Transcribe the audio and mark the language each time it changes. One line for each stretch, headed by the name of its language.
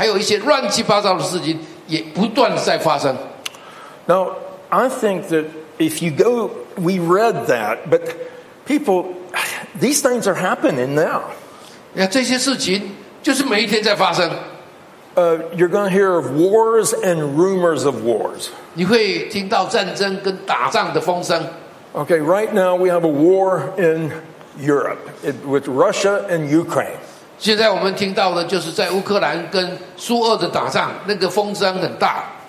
Chinese: 但是你有没有发现，耶稣在马太福音刚才我们所念的圣经里面24章里面，好的事情就是福音要变传，但是里面有不好的事情，战争，还有瘟疫，还有一些乱七八糟的事情也不断在发生。
English: Now, I think that if you go, we read that, but people, these things are happening now.
Chinese: Yeah, 这些事情就是每一天在发生。
English: You're going to hear of wars and rumors of wars.
Chinese: 你会听到战争跟打仗的风声。
English: Okay, right now we have a war in Europe with Russia and Ukraine.
Chinese: 现在我们听到的就是在乌克兰跟苏俄的打仗，那个风声很大。